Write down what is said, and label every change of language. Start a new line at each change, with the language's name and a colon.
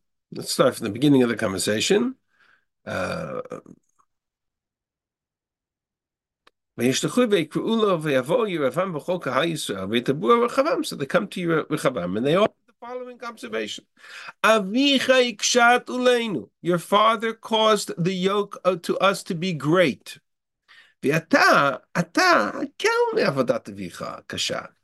English: Let's start from the beginning of the conversation.
Hebrew: וישלחו ויקראו לו ויבוא ירבעם בכל קהל ישראל ויתבעו רחבעם.
English: So they come to רחבעם and they offer the following observation.
Hebrew: אביך הקשת עלינו.
English: Your father caused the yoke to us to be great.
Hebrew: ואתה הקל מעבודת אביך הקשה.